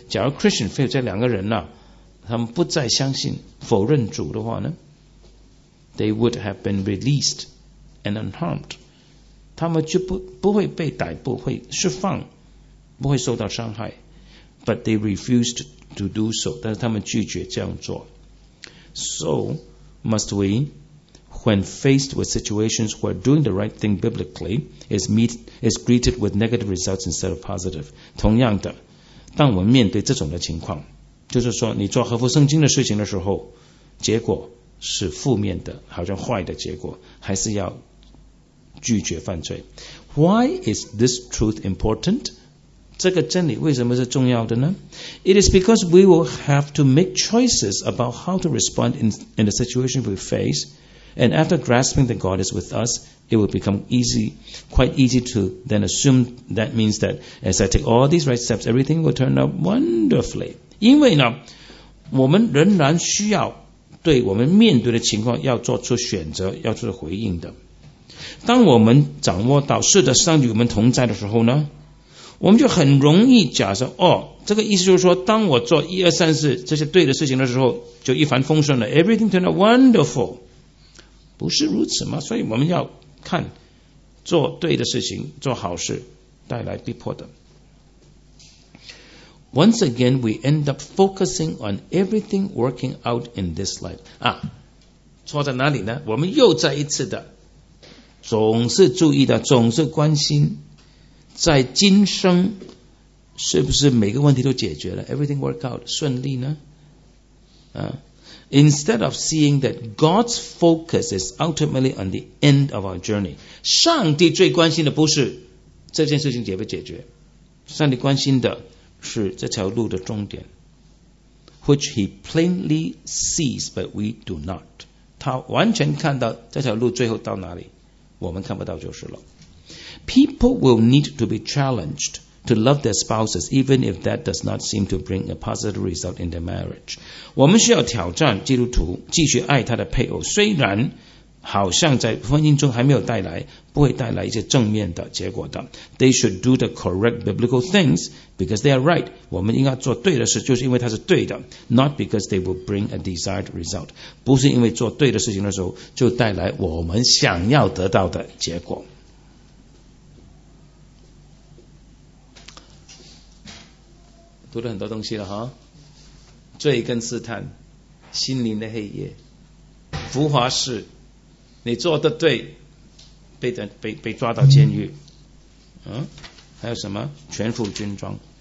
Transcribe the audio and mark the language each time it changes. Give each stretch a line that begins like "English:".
Chinese: 假如 Christian 非有这两个人啊他们不再相信否认主的话呢，
English: They would have been released and unharmed,
Chinese: 他们就 不会被逮捕，会释放，不会受到伤害。
English: But they refused to do so,
Chinese: 但是他们拒绝这样做。
English: So must we, when faced with situations where doing the right thing biblically is greeted with negative results instead of positive,
Chinese: 同样的，当我们面对这种的情况，就是说你做合乎圣经的事情的时候，结果是负面的，好像坏的结果，还是要拒绝犯罪。
English: Why is this truth important?
Chinese: 这个真理为什么是重要的呢？
English: It is because we will have to make choices about how to respond in the situation we face, and after grasping that God is with us, it will become easy, quite easy to then assume that means that as I take all these right steps, everything will turn out wonderfully.
Chinese: 因为呢，我们仍然需要对我们面对的情况要做出选择，要做出回应的。当我们掌握到是的，上帝与我们同在的时候呢，我们就很容易假设，哦，这个意思就是说，当我做一二三四这些对的事情的时候，就一帆风顺了 ，
English: everything turned out wonderful。
Chinese: 不是如此吗？所以我们要看做对的事情、做好事带来逼迫的。
English: Once again, we end up focusing on everything working out in this life.
Chinese: 啊，错在哪里呢？我们又再一次的，总是注意的，总是关心，在今生是不是每个问题都解决了 ？
English: Everything work out
Chinese: 顺利呢？啊
English: ，Instead of seeing that God's focus is ultimately on the end of our journey,
Chinese: 上帝最关心的不是这件事情解不解决，上帝关心的。是这条路的终点
English: ，which he plainly sees, but we do not.
Chinese: 他完全看到这条路最后到哪里，我们看不到就是了。
English: People will need to be challenged to love their spouses, even if that does not seem to bring a positive result in their marriage.
Chinese: 我们需要挑战基督徒继续爱他的配偶，虽然好像在婚姻中还没有带来，不会带来一些正面的结果的。
English: They should do the correct biblical things because they are right.
Chinese: 我们应该做对的事，就是因为它是对的。
English: Not because they will bring a desired result.
Chinese: 不是因为做对的事情的时候，就带来我们想要得到的结果。读了很多东西了哈。罪跟试探，心灵的黑夜，浮华是你做的对 被抓到监狱、还有什么全副军装。